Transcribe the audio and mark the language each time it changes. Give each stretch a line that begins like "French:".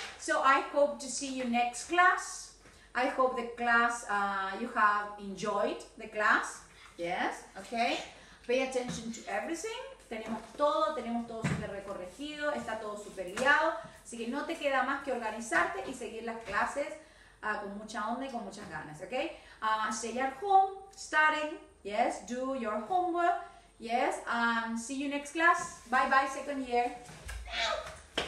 English: So I hope to see you next class. I hope the class, you have enjoyed the class. Yes, okay. Pay attention to everything.
Spanish: Tenemos todo súper recorregido, está todo súper guiado. Así que no te queda más que organizarte y seguir las clases con mucha onda y con muchas ganas, ¿ok?
English: Stay at home, studying, yes, do your homework, yes, and see you next class. Bye bye, second year.